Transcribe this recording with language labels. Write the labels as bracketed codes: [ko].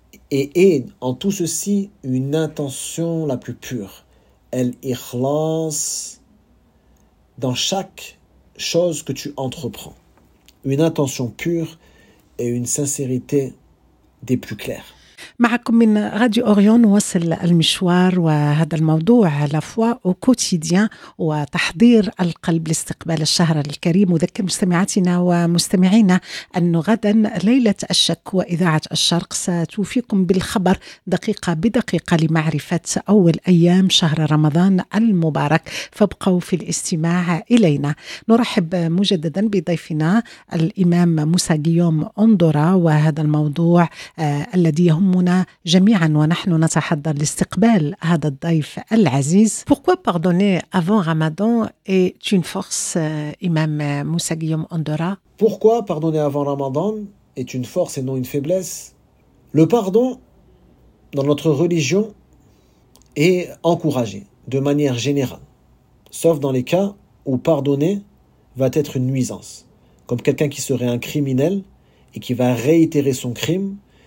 [fr] Et aie en tout ceci une intention la plus pure. Elle ikhlas dans chaque chose que tu entreprends. Une intention pure et une sincérité des plus claires. [ar] معكم من راديو أوريون وصل المشوار وهذا الموضوع على فوا أو كوتيديان وتحضير القلب لاستقبال الشهر الكريم وذكر مستمعاتنا ومستمعينا أن غدا ليلة الشك وإذاعة الشرق ستوفيكم بالخبر دقيقة بدقيقة لمعرفة أول أيام شهر رمضان المبارك فابقوا في الاستماع إلينا نرحب مجددا بضيفنا الإمام موسى جيوم أندورا وهذا الموضوع الذي يهم جميعاً ونحن نتحضر لاستقبال هذا الضيف العزيز. [fr] Pourquoi pardonner avant Ramadan est une force, Imam Moussa Guillaume Andora? Pourquoi pardonner avant Ramadan est une force et non une faiblesse? Le pardon dans notre religion est encouragé de manière générale, sauf dans les cas où pardonner va être une nuisance, comme quelqu'un qui serait un criminel et qui va réitérer son crime.